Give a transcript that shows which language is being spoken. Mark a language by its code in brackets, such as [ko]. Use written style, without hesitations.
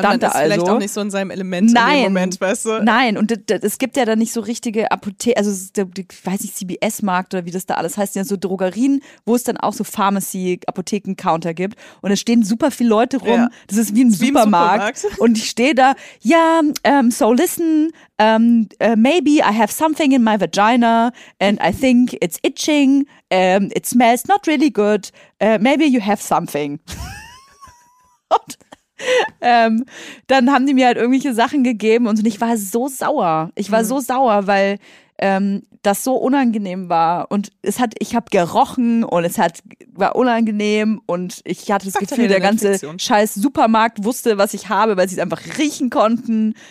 [de] stand da also. Vielleicht auch nicht so in seinem Element Nein. in dem Moment, weißt du? Nein, und es gibt ja da nicht so richtige Apotheken, also ich weiß nicht, CBS-Markt oder wie das da alles heißt, ja so Drogerien, wo es dann auch so Pharmacy-Apotheken-Counter gibt und es stehen super viele Leute rum, ja. Das ist wie ein Supermarkt. Und ich stehe da, ja, so [en] listen, maybe I have something in my vagina and I think it's itching, it smells not really good, maybe you have something. [de] Und dann haben die mir halt irgendwelche Sachen gegeben und ich war so sauer. Ich war so sauer, weil das so unangenehm war. Und ich habe gerochen und war unangenehm und ich hatte das Gefühl, der ganze scheiß Supermarkt wusste, was ich habe, weil sie es einfach riechen konnten.